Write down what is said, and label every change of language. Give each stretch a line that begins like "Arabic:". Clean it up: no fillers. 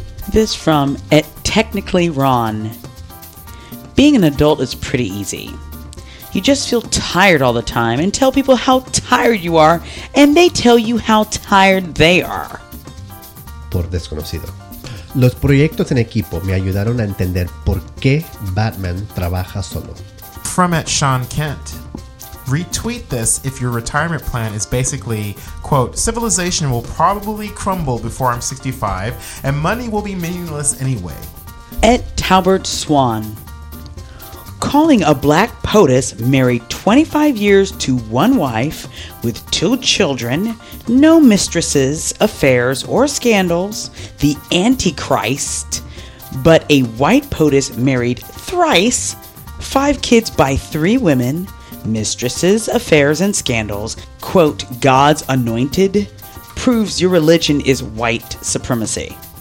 English: This from at Technically Ron. Being an adult is pretty easy. You just feel tired all the time and tell people how tired you are, and they tell you how tired they are.
Spanish: Por desconocido. Los proyectos en equipo me ayudaron a entender por qué Batman trabaja solo.
English: From at Sean Kent. Retweet this if your retirement plan is basically, quote, civilization will probably crumble before I'm 65 and money will be meaningless anyway. At Talbert Swan. Calling a black POTUS married 25 years to one wife with two children, no mistresses, affairs, or scandals, the Antichrist, but a white POTUS married thrice, five kids by three women, mistresses, affairs, and scandals, quote, God's anointed, proves your religion is white supremacy.